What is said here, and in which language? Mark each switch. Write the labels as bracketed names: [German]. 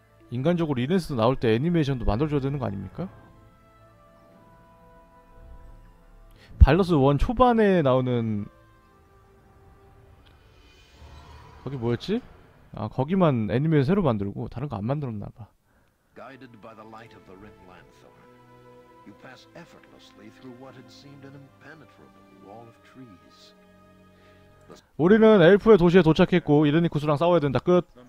[Korean] 인간적으로 이랜스도 나올 때 애니메이션도 만들어줘야 되는 거 아닙니까? 발러스 1 초반에 나오는 거기 뭐였지? 아 거기만 애니메이션 새로 만들고 다른 거 안 만들었나 봐. [English] Guided by the light of the red lanthorn, you pass effortlessly through what had seemed an impenetrable wall of trees. [Korean] 우리는 엘프의 도시에 도착했고 이르니쿠스랑 싸워야 된다. 끝.